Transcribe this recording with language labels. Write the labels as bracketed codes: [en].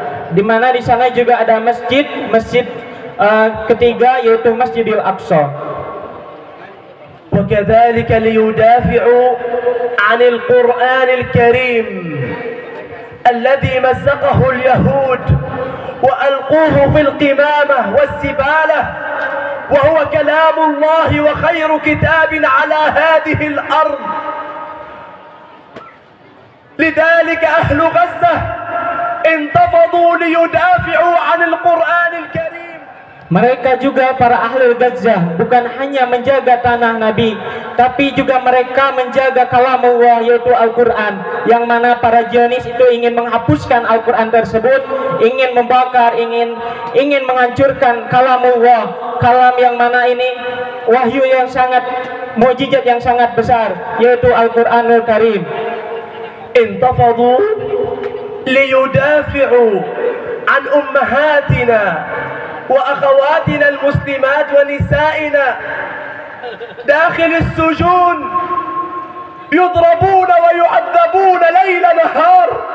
[id] Di mana di sana juga ada masjid, masjid ketiga yaitu Masjidil Aqsa. [ar] وكذلك ليدافعوا عن القرآن الكريم الذي مزقه اليهود وألقوه في القمامة والسبالة وهو كلام الله وخير كتاب على هذه الأرض. لذلك أهل غزة انتفضوا ليدافعوا عن القرآن الكريم. [id] Mereka juga para ahli Gaza bukan hanya menjaga tanah Nabi, tapi juga mereka menjaga kalamullah yaitu Al-Quran, yang mana para Zionis itu ingin menghapuskan Al-Quran tersebut, ingin membakar, ingin menghancurkan kalamullah, kalam yang mana ini wahyu yang sangat mujizat yang sangat besar yaitu Al-Quranul Karim. [ar] Intafadu liyudafi'u an ummahatina وأخواتنا المسلمات ونسائنا داخل السجون يضربون ويعذبون ليل نهار.